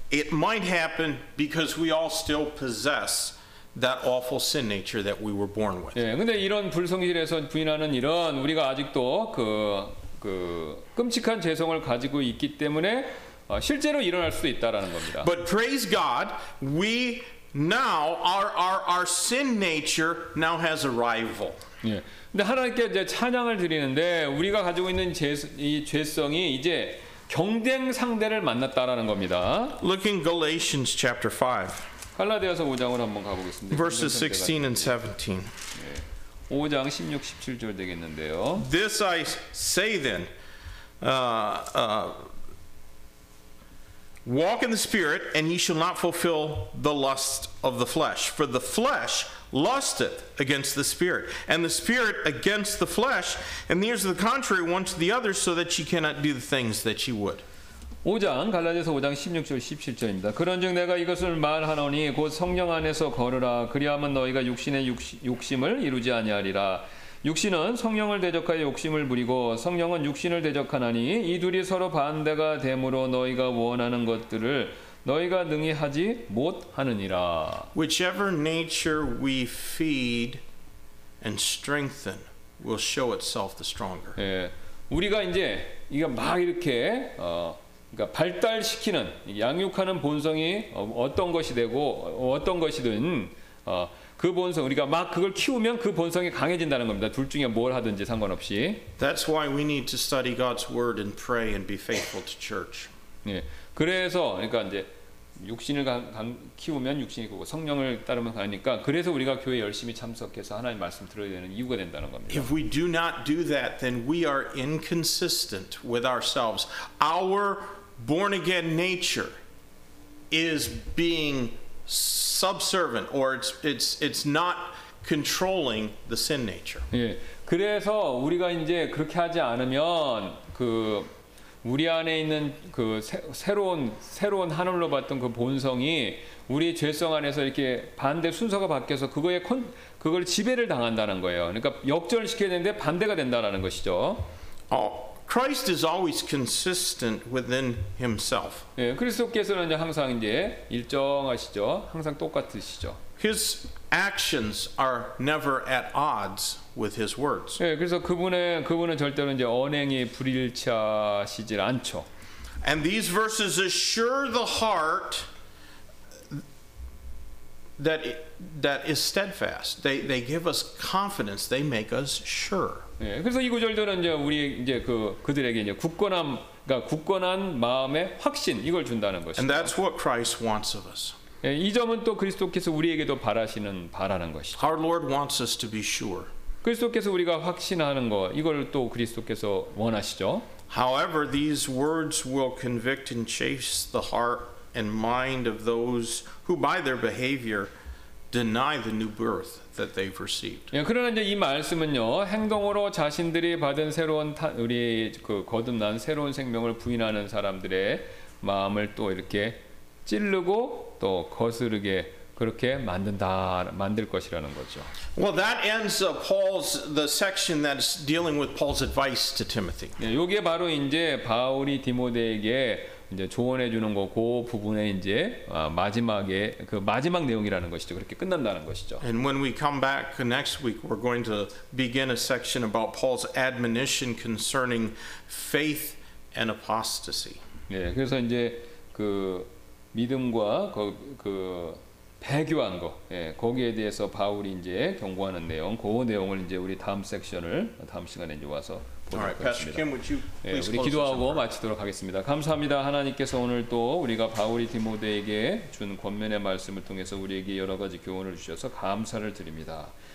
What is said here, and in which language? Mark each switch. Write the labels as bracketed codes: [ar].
[en] It might happen because we all still possess that awful sin nature that we were born with. [ko] 예, 근데 이런 불성실에서 부인하는 일은 우리가 아직도 그 끔찍한 죄성을 가지고 있기 때문에 실제로 일어날 수도 있다라는 겁니다. [en] But praise God, we now our sin nature now has a rival. [ko] 예. 근데 하나님께 이제 찬양을 드리는데 우리가 가지고 있는 이 죄성이 이제 경쟁 상대를 만났다라는 겁니다. [en] Look in Galatians chapter 5. [ko] 갈라디아서 5장으로 한번 가 보겠습니다. [en] Verses 16 and 17. [ko] 예. 5장 16, 17절 되겠는데요. [en] This I say then, walk in the Spirit, and ye shall not fulfill the lust of the flesh. For the flesh lusteth against the Spirit, and the Spirit against the flesh, and these are the contrary one to the other, so that ye cannot do the things that ye would. [ko] 5장 갈라디아서 5장 16절 17절입니다. 그런즉 내가 이것을 말하노니 곧 성령 안에서 거르라. 그리하면 너희가 육신의 욕심을 이루지 아니하리라. 육신은 성령을 대적하여 욕심을 부리고 성령은 육신을 대적하나니 이 둘이 서로 반대가 되므로 너희가 원하는 것들을 너희가 능히 하지 못하느니라. [en] Whichever nature we feed and strengthen will show itself the stronger. [ko] 예, 우리가 이제 이거 막 이렇게 그러니까 발달시키는 양육하는 본성이 어떤 것이 되고 어떤 것이든 그 본성 우리가 막 그걸 키우면 그 본성이 강해진다는 겁니다. 둘 중에 뭘 하든지 상관없이. [en] That's why we need to study God's word and pray and be faithful to church. [ko] 예. 그래서 그러니까 이제 육신을 키우면 육신이 크고 성령을 따르면 가니까 그래서 우리가 교회 열심히 참석해서 하나님 말씀 들어야 되는 이유가 된다는 겁니다. [en] If we do not do that, then we are inconsistent with ourselves. Our born again nature is being subservient, or it's not controlling the sin nature. [ko] 예, 그래서 우리가 이제 그렇게 하지 않으면 그 우리 안에 있는 그 새로운 하늘로 봤던 그 본성이 우리 죄성 안에서 이렇게 반대 순서가 바뀌어서 그걸 지배를 당한다는 거예요. 그러니까 역전시켜야 되는데 반대가 된다라는 것이죠. [en] Christ is always consistent within himself. [ko] 예, 그리스도께서는 이제 항상 이제 일정하시죠. 항상 똑같으시죠. [en] His actions are never at odds with his words. [ko] 예, 그래서 그분은 절대로 이제 언행이 불일치하시질 않죠. [en] And these verses assure the heart that is steadfast. They give us confidence. They make us sure. [ko] 예, 그래서 이 구절들은 이제 우리 이제 그들에게 이제 굳건한 마음의 확신 이걸 준다는 것이죠. [en] And that's what Christ wants of us. [ko] 예, 이 점은 또 그리스도께서 우리에게도 바라는 것이죠. [en] Our Lord wants us to be sure. [ko] 그리스도께서 우리가 확신하는 거 이걸 또 그리스도께서 원하시죠. [en] However, these words will convict and chase the heart and mind of those who by their behavior deny the new birth that they've received. [ko] 예, 그러나 이제 이 말씀은요. 행동으로 자신들이 받은 새로운 우리 그 거듭난 새로운 생명을 부인하는 사람들의 마음을 또 이렇게 찌르고 또 거스르게 그렇게 만들 것이라는 거죠. [en] Well, that ends the section that's dealing with Paul's advice to Timothy. [ko] 예, 요게 바로 이제 바울이 디모데에게 이제 조언해 주는 거 그 부분에 이제 마지막에 그 마지막 내용이라는 것이죠. 그렇게 끝난다는 것이죠. [en] And when we come back next week, we're going to begin a section about Paul's admonition concerning faith and apostasy. [ko] 예, 그래서 이제 그 믿음과 그 배교한 거, 예, 거기에 대해서 바울이 이제 경고하는 내용, 그 내용을 이제 우리 다음 섹션을 다음 시간에 이제 와서 보도록 [en] right, [ko] 하겠습니다. [en] Kim, would you please [ko] 예, 우리 기도하고 마치도록 하겠습니다. 감사합니다. 하나님께서 오늘 또 우리가 바울이 디모데에게 준 권면의 말씀을 통해서 우리에게 여러 가지 교훈을 주셔서 감사를 드립니다.